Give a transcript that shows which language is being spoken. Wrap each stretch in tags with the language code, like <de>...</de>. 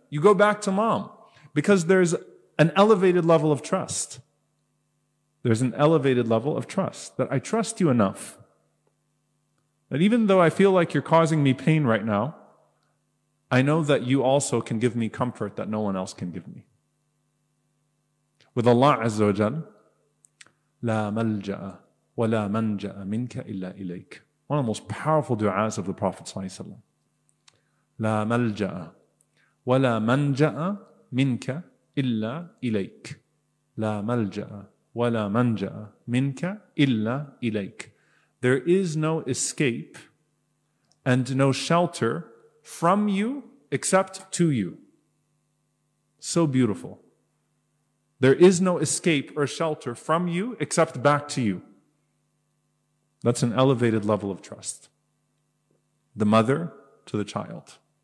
<en>You go back to mom because there's an elevated level of trust. There's an elevated level of trust that I trust you enough that even though I feel like you're causing me pain right now, I know that you also can give me comfort that no one else can give me. With Allah Azza wa Jal,</en> <ar>لا ملجأ ولا منجأ منك إلا إليك.</ar> <en>One of the most powerful du'as of the Prophet ﷺ.</en> <ar>لا ملجأ ولا منجأ منك إلا إليك. لا ملجأ ولا منجأ منك إلا إليك.</ar> <en>There is no escape and no shelter from you except to you. So beautiful. There is no escape or shelter from you except back to you. That's an elevated level of trust. The mother to the child.</en>